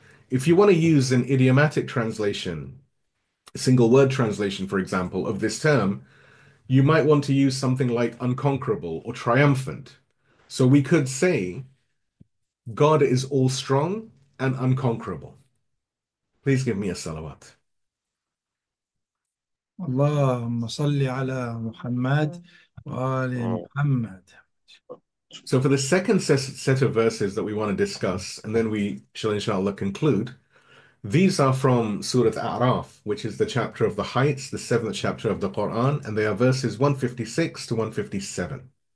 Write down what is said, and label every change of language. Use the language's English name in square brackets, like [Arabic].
[English] If you want to use an idiomatic translation, a single word translation, for example, of this term, you might want to use something like unconquerable or triumphant. So we could say, God is all strong and unconquerable. Please give me a salawat. [Arabic] اللهم صل على محمد وآل محمد. [English] So for the second set of verses that we want to discuss, and then we shall inshallah conclude, these are from Surah A'raf, which is the chapter of the heights, the seventh chapter of the Quran, and they are verses 156 to 157.